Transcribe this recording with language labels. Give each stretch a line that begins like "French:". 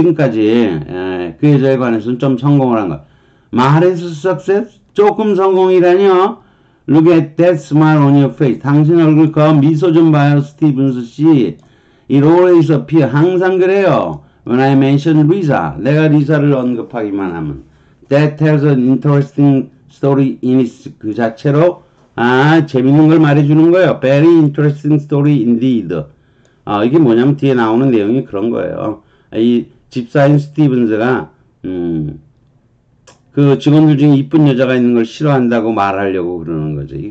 Korean: 지금까지 그 여자에 관해서는 좀 성공을 한 것.
English: 말해서 success?
Korean: 조금 성공이라뇨?
English: Look at that smile on your face.
Korean: 당신 얼굴 그 미소 좀 봐요, 스티븐스 씨.
English: It always appears.
Korean: 항상 그래요.
English: When I mention Lisa.
Korean: 내가 리사를 언급하기만 하면.
English: That tells an interesting story in its
Korean: 그 자체로. 아, 재밌는 걸 말해주는 거예요.
English: Very interesting story indeed.
Korean: 이게 뭐냐면 뒤에 나오는 내용이 그런 거예요. 이 집사인 스티븐스가 그 직원들 중에 이쁜 여자가 있는 걸 싫어한다고 말하려고 그러는 거죠.